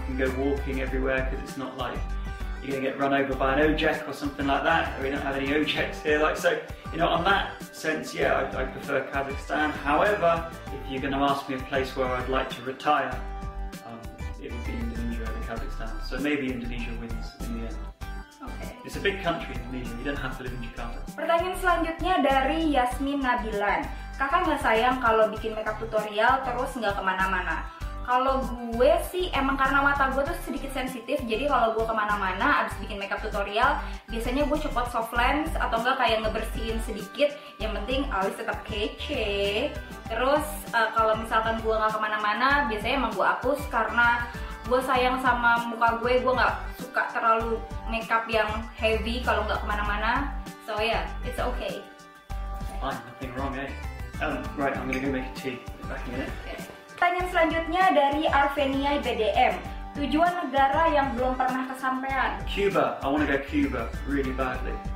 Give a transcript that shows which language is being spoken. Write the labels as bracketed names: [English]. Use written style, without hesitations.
[English] You can go walking everywhere because it's not like you're going to get run over by an ojek or something like that. We don't have any ojeks here. Like, so, you know, on that sense, yeah, I prefer Kazakhstan. However, if you're going to ask me a place where I'd like to retire, it would be Indonesia over Kazakhstan, so maybe Indonesia wins in the end. Okay. It's a big country, Indonesia. You don't have to live in Jakarta. [Indonesian] Pertanyaan selanjutnya dari Yasmin Nabilan. Kakak nggak sayang kalau bikin makeup tutorial terus nggak kemana-mana? Kalau gue sih emang karena mata gue tuh sedikit sensitif, jadi kalau gue kemana-mana abis bikin makeup tutorial, biasanya gue copot soft lens atau enggak kayak ngebersihin sedikit. Yang penting alis tetap kece. Terus kalau misalkan gue nggak kemana-mana, biasanya emang gue hapus karena gue sayang sama muka gue. Gue nggak suka terlalu makeup yang heavy kalau nggak kemana-mana. [English] So yeah, it's okay. Fine, nothing wrong, eh? Right, I'm gonna go make a tea. Be back in a minute. Okay. [Indonesian] Pertanyaan selanjutnya dari Arvenia BDM. Tujuan negara yang belum pernah kesampaian? Cuba. [English] I want to go to Cuba really badly.